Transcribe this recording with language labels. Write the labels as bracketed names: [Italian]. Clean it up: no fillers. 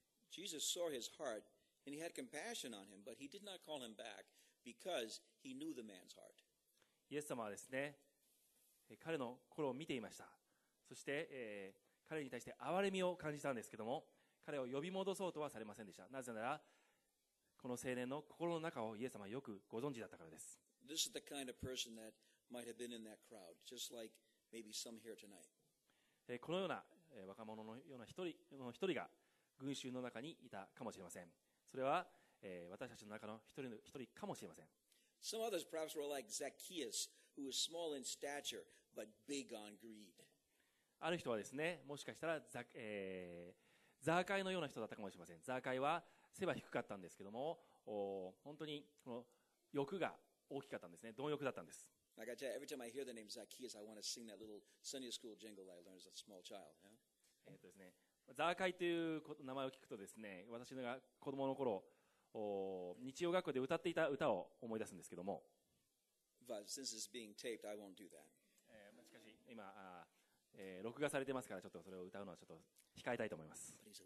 [English] Jesus saw his heart and he had compassion on him, but he did not call him back because he knew the man's heart. [Japanese] イエス様はですね、彼の心を見ていました。そして、彼に対して憐れみを感じたんですけども、彼を呼び戻そうとはされませんでした。なぜなら、この青年の心の中をイエス様はよくご存知だったからです。 [English] This is the kind of person that might have been in that crowd, just like maybe some here tonight. [Japanese] このような、若者のような一人が群衆の中にいたかもしれません。それは、私たちの中の一人かもしれません。 [English] Some others perhaps were like Zacchaeus, who was small in stature, but big on greed. [Japanese] ある人はですね、もしかしたらザーカイのような人だったかもしれません。ザーカイは背は低かったんですけども、本当にこの欲が大きかったんですね。貪欲だったんです。 [English] I got you. Every time I hear the name Zacchaeus, I want to sing that little Sunday school jingle that I learned as a small child. Yeah? [Japanese] ですね、ザーカイという名前を聞くとですね、私が子供の頃、日曜学校で歌っていた歌を思い出すんですけども。 [English] But since it's being taped, I won't do that. [Japanese] しかし、今、録画されてますからちょっとそれを歌うのはちょっと控えたいと思います。